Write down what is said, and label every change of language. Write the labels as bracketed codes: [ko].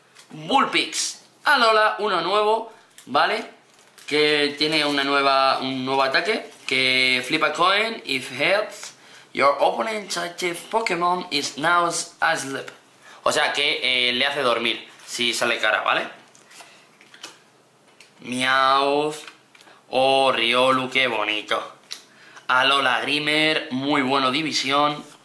[es] Bullpix. Alola, uno nuevo, ¿vale? Que tiene una nueva, un nuevo ataque. Que [en] flip a coin if health. Your opponent's active Pokémon is now asleep. [es] O sea que le hace dormir si sale cara, ¿vale? Meowth. Oh, Riolu, qué bonito. Alola Grimer, muy bueno, división.